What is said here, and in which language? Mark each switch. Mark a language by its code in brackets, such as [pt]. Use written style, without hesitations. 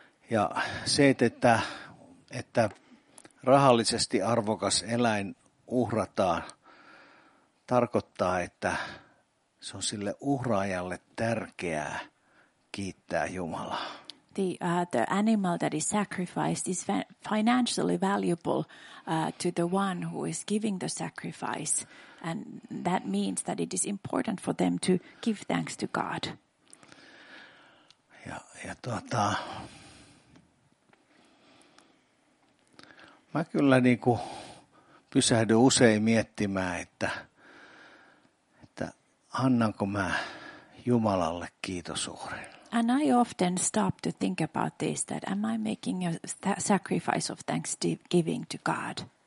[fi] Ja se, että rahallisesti arvokas eläin uhrataan, tarkoittaa, että se on sille uhraajalle tärkeää kiittää Jumalaa. [en] The animal that is sacrificed is financially valuable to the one who is giving the sacrifice, and that means that it is important for them to give thanks to God. [fi] Ja mä kyllä niinku pysähdyn usein miettimään, että annanko mä Jumalalle kiitosuhrin. [en] And I often stop to think about this, that am I making a sacrifice of thanksgiving to God?